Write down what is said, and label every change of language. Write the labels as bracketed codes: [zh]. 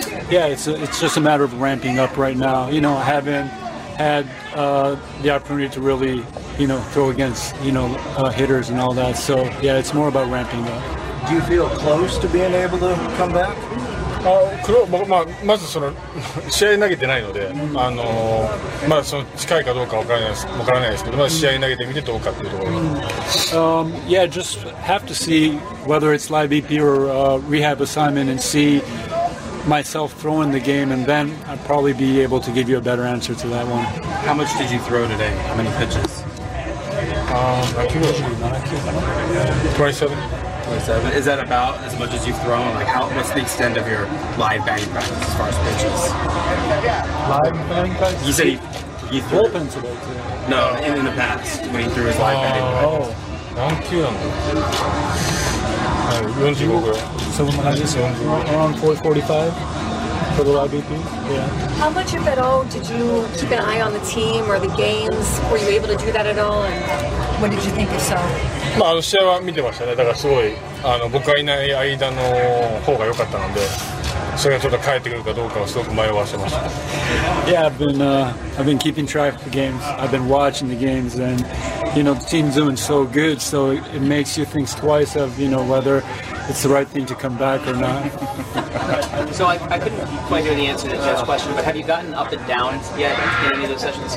[en] Yeah, it's just a matter of ramping up right now. You know, I haven't had the opportunity to really, you know, throw against, you know, hitters and all that. So, yeah, it's more about ramping up. Do you feel close to being able to come back? [ja] まずその試合投げてないので、まあ、その近いかどうか分からないですけど、まあ、試合投げてみてどうかというところ [en] が、yeah, just have to see whether it's live BP or rehab assignment and see myself throwing the game, and then I'd probably be able to give you a better answer to that one. How much did you throw today? How many pitches? 27. Is that about as much as you've thrown? Like, how, what's the extent of your live batting practice as far as pitches? Live batting practice? You said he threw... Bullpen today, too. No, in the past, when he threw his live batting practice. Oh, 45. Around 445for the live BP, yeah. How much, if at all, did you keep an eye on the team or the games? Were you able to do that at all? And what did you think of yourself? [ja] まあ、あの試合は見てましたね、だからすごいあの僕がいない間の方が良かったので、それがちょっと帰ってくるかどうかをすごく迷わせました。 [en] Yeah, I've been keeping track of the games. I've been watching the games, and you know, the team's doing so good, so it makes you think twice of, you know, whether it's the right thing to come back or not. So I couldn't quite hear the answer to Jeff's question, but have you gotten up and down yet in any of those sessions?